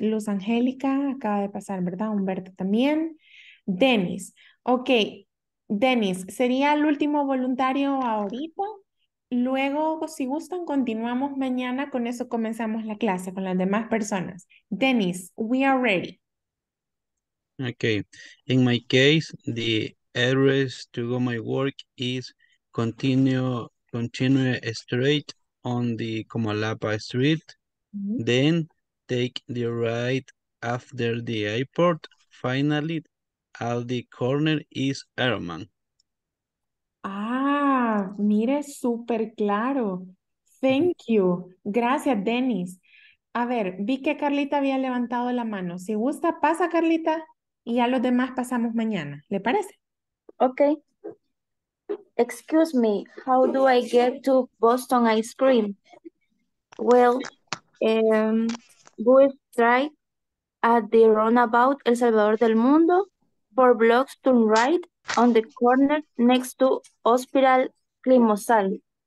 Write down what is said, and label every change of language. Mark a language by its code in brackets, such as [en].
[es] Luz Angélica acaba de pasar, ¿verdad? Humberto también. Denis. Ok, Denis, sería el último voluntario ahorita. Luego, si gustan, continuamos mañana. Con eso comenzamos la clase con las demás personas. Denis, [en] we are ready. Okay. In my case, the address to go my work is continue straight on the Comalapa Street, then take the right after the airport. Finally, at the corner is Herman. [es] Ah, mire, súper claro. [en] Thank you. [es] Gracias, Dennis. A ver, vi que Carlita había levantado la mano. Si gusta, pasa, Carlita, y a los demás pasamos mañana. ¿Le parece? [en] Okay. Excuse me, how do I get to Boston Ice Cream? Well, we'll try at the roundabout El Salvador del Mundo, 4 blocks to right on the corner next to Hospital Climosal.